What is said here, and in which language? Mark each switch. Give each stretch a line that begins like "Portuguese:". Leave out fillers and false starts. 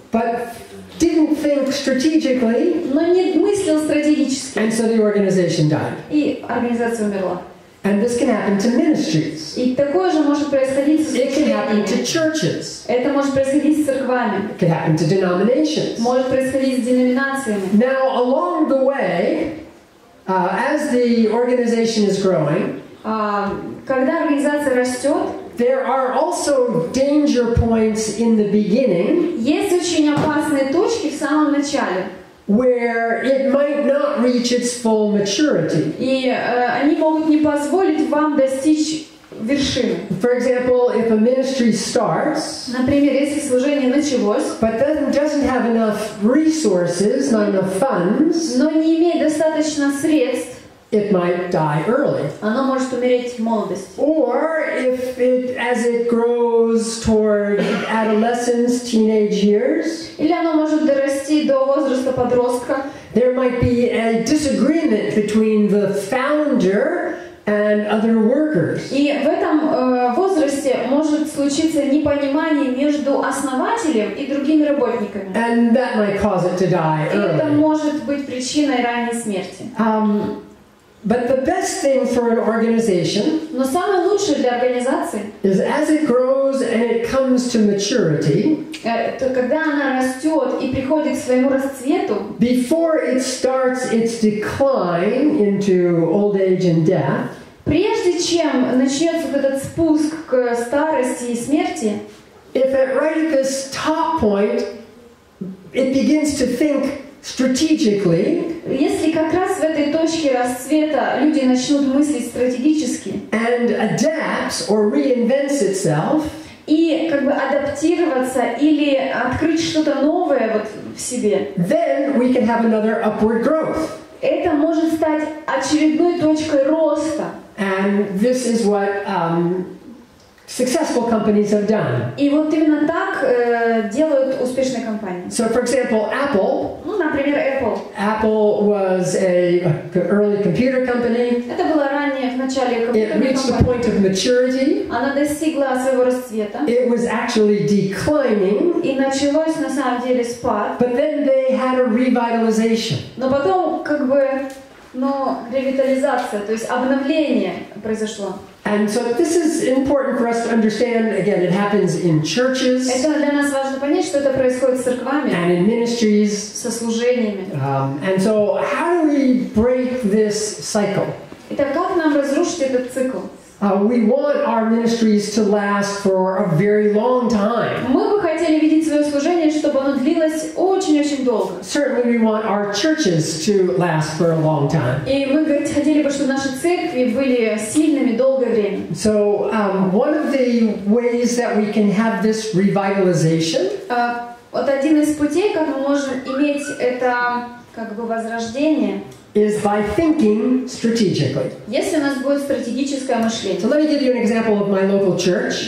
English: But didn't think strategically.
Russian: Но не мыслил стратегически.
English: And so the organization died.
Russian: И организация умерла.
English: And this can happen to ministries.
Russian: И такое же может происходить с церквями.
English: It can happen to churches.
Russian: Это может происходить с церквами.
English: It can happen to denominations.
Russian: Может происходить с деноминациями.
English: Now along the way, as the organization is growing,
Russian: когда организация растет.
English: There are also danger points in the beginning.
Russian: Есть очень опасные точки в самом начале.
English: Where it might not reach its full maturity.
Russian: И они могут не позволить вам достичь вершины.
English: For example, if a ministry starts.
Russian: Например, если служение началось.
English: But doesn't have enough resources, not enough funds.
Russian: Но не имеет достаточно средств.
English: It might die early.
Russian: Оно может умереть в молодости.
English: Or if it, as it grows toward adolescence, teenage years.
Russian: Или оно может дорасти до возраста подростка.
English: There might be a disagreement between the founder and other workers.
Russian: И в этом возрасте может случиться непонимание между основателем и другими работниками.
English: And that might cause it to die early.
Russian: И это может быть причиной ранней смерти.
English: But the best thing for an organization is as it grows and it comes to maturity, before it starts its decline into old age and death,
Russian: прежде чем начнется этот спуск к старости и смерти,
English: if it right at this top point, it begins to think strategically,
Russian: если как раз в этой точке расцвета люди начнут мыслить стратегически,
English: and adapts or reinvents itself,
Russian: и как бы адаптироваться или открыть что-то новое вот в себе,
English: then we can have another upward growth.
Russian: Это может стать очередной точкой роста.
English: And this is what successful companies have done.
Russian: И вот именно так делают успешные компании.
English: So, for example, Apple.
Russian: Ну, например, Apple.
English: Apple was a early computer company.
Russian: Это было ранее в начале компьютерной компании.
English: It reached the point of maturity.
Russian: Она достигла своего расцвета.
English: It was actually declining.
Russian: И началось на самом деле спад.
English: But then they had a revitalization.
Russian: Но потом как бы, но ревитализация, то есть обновление произошло.
English: And so this is important for us to understand. Again, it happens in churches.
Russian: Это для нас важно понять, что это происходит с церквами.
English: And in ministries.
Russian: Со служениями.
English: And so, how do we break this cycle?
Russian: Итак, как нам разрушить этот цикл?
English: We want our ministries to last for a very long time.
Russian: Мы бы хотели видеть свое служение, чтобы оно длилось очень-очень долго.
English: Certainly, we want our churches to last for a long time.
Russian: И мы хотели бы, чтобы наши церкви были сильными долгое время.
English: So, one of the ways that we can have this revitalization.
Russian: Вот один из путей, как мы можем иметь это как бы возрождение.
English: Is by thinking strategically.
Russian: Если у нас будет стратегическое мышление.
English: So let me give you an example of my local church.